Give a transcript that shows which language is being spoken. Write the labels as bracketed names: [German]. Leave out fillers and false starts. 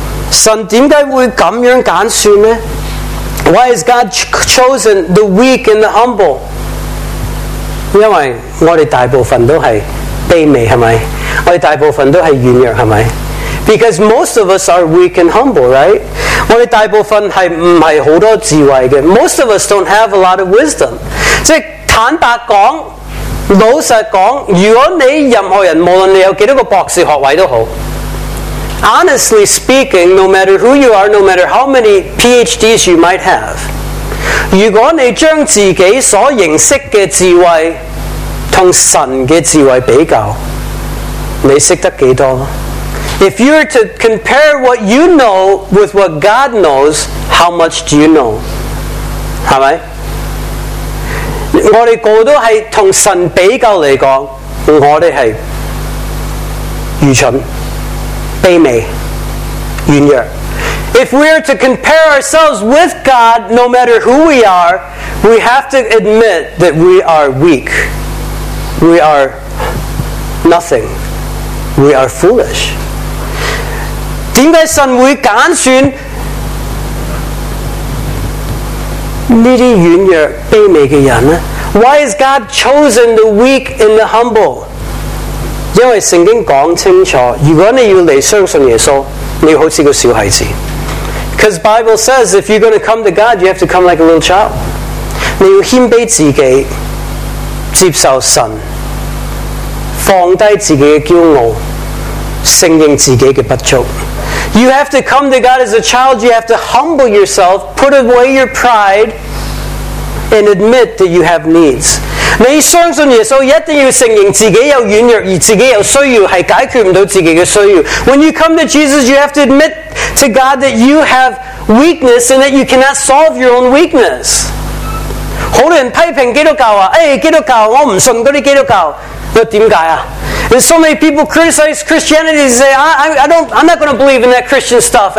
[Cantonese] 神为什么会这样拣选呢? [English] Why is God chosen the weak and the humble? [Cantonese] 因为我们大部分都是卑微，是吗？我们大部分都是软弱，是吗？ [English] Because most of us are weak and humble, right? [Cantonese] 我们大部分是不是很多智慧的。 [English] Most of us don't have a lot of wisdom. [Cantonese] 即是坦白讲，老实讲，如果你任何人，无论你有多少个博士学位都好， [English] Honestly speaking, no matter who you are, no matter how many PhDs you might have, [Cantonese] 如果你将自己所认识的智慧同神的智慧比较，你识得几多？ [English] If you were to compare what you know with what God knows, how much do you know? [Cantonese] 是不是？我们个都是同神比较来讲，我们是愚蠢。 [English] If we are to compare ourselves with God, no matter who we are, we have to admit that we are weak. We are nothing. We are foolish. [Cantonese] 点解神会拣选呢啲软弱卑微嘅人呢? [English] Why is God chosen the weak and the humble? [Cantonese] 因为圣经讲清楚，如果你要来相信耶稣，你好似个小孩子。 [English] Because Bible says if you're going to come to God, you have to come like a little child. [Cantonese] 你要谦卑自己，接受神，放低自己的骄傲，承认自己的不足。 [English] You have to come to God as a child. You have to humble yourself, put away your pride, and admit that you have needs. [Cantonese] 你相信耶稣，一定要承认自己有软弱，而自己有需要，系解决唔到自己嘅需要。 [English] When you come to Jesus, you have to admit to God that you have weakness and that you cannot solve your own weakness. [Cantonese] 好多人批评基督教话：，基督教，我唔信嗰啲基督教。 [English] And so many people criticize Christianity and say, I'm not going to believe in that Christian stuff.